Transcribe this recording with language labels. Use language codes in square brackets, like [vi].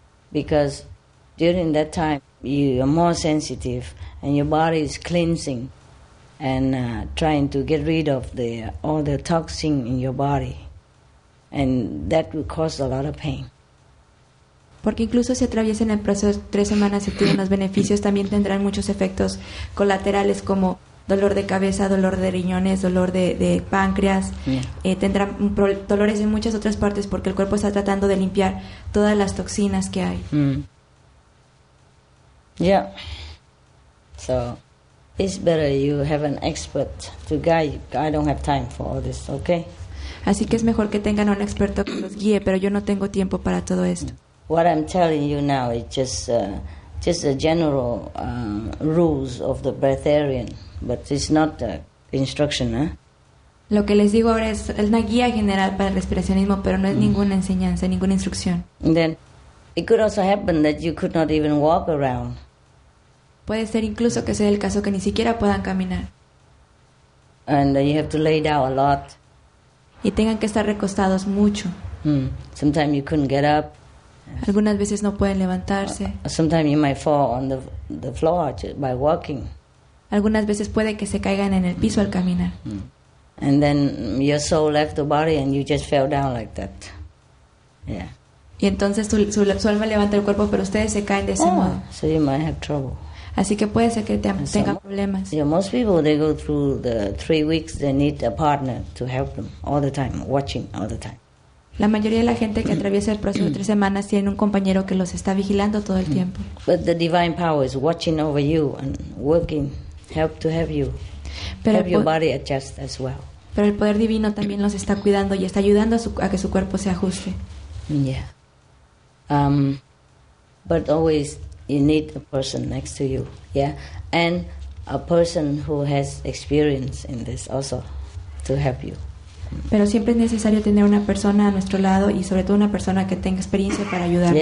[en] Because during that time, you are more sensitive and your body is cleansing and trying to get rid of all the toxin in your body. And that will cause a lot of pain. [es] Porque incluso si atraviesan el proceso de 3 semanas y tienen los beneficios, también tendrán muchos efectos colaterales como dolor de cabeza, dolor de riñones, dolor de páncreas. [en] Yeah. [es] Tendrán dolores en muchas otras partes porque el cuerpo está tratando de limpiar todas las toxinas que hay. [en] Yeah. So it's better you have an expert to guide you. I don't have time for all this, okay? [es] Así que es mejor que tengan a un experto que los guíe, pero yo no tengo tiempo para todo esto. [en] What I'm telling you now is just a general rules of the breatharian, but it's not a instruction, huh? [es] Lo que les digo ahora es una guía general para el respiracionismo, pero no es ninguna enseñanza, ninguna instrucción. [en] And then it could also happen that you could not even walk around. [es] Puede ser incluso que sea el caso que ni siquiera puedan caminar. [en] And you have to lay down a lot. [es] Y tengan que estar recostados mucho. [en] Sometimes you couldn't get up. [es] Algunas veces no pueden levantarse. [en] Sometimes you might fall on the floor just by walking. [es] Algunas veces puede que se caigan en el piso al caminar. [en] And then your soul left the body and you just fell down like that. Yeah. [es] Y entonces su alma levanta el cuerpo, pero ustedes se caen de ese modo. [en] So you might have trouble. [es] Así que puede ser que tenga problemas. [en] Yeah, most people, they go through the 3 weeks, they need a partner to help them all the time, watching all the time. [es] La mayoría de la gente que atraviesa el proceso de 3 semanas tiene un compañero que los está vigilando todo el tiempo. [en] But the divine power is watching over you and working, help to help you. [es] Pero [en] help your body adjust as well. [es] Pero el poder divino también los está cuidando y está ayudando a que su cuerpo se ajuste. [en] Yeah. But always you need a person next to you, yeah, and a person who has experience in this also to help you. [es] Pero siempre es necesario tener una persona a nuestro lado y sobre todo una persona que tenga experiencia para ayudarnos.